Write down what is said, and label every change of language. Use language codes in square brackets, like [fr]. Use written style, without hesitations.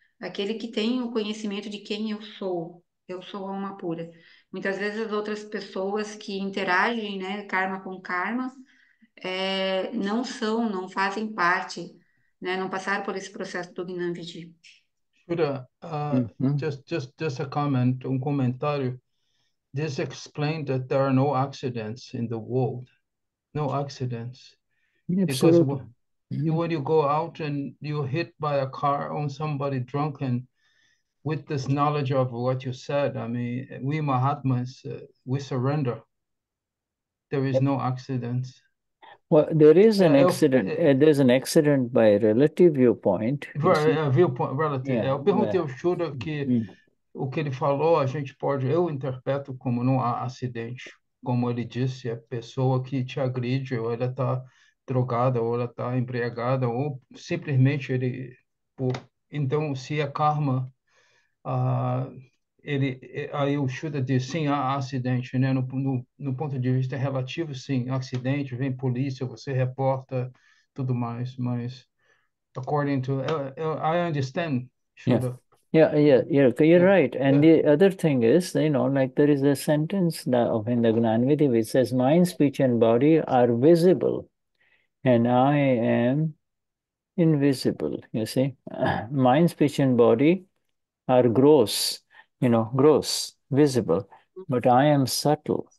[pt] Aquele que tem o conhecimento de quem eu sou. Eu sou alma pura. Muitas vezes as outras pessoas que interagem, né, karma com karma, não são, não fazem parte, né, não passaram por esse processo do Gnanvedi. [en] Shuddha, just a comment, [pt] um comentário. [en] This explains that there are no accidents in the world. No accidents. Absolutely. Because when you go out and you're hit by a car on somebody drunken, with this knowledge of what you said, I mean, we Mahatmas, we surrender. There is no accident. Well, there is an accident. There's an accident by relative viewpoint. Viewpoint, relative. [pt] Yeah, eu perguntei ao Shuddha que o que ele falou, a gente pode, eu interpreto como não há acidente. Como ele disse, a pessoa que te agride, ou ela está drogada, ou ela está embriagada, ou simplesmente ele... Então, se é karma, aí o Shuddha diz, sim, há acidente, né? No ponto de vista relativo, sim, acidente, vem polícia, você reporta, tudo mais, mas, [en] according to... I understand, Shuddha. Yeah. You're right. And the other thing is, you know, like there is a sentence of in the Gnanvedi which says, mind, speech, and body are visible, and I am invisible. You see, mind, speech, and body are gross, you know, gross, visible, but I am subtle.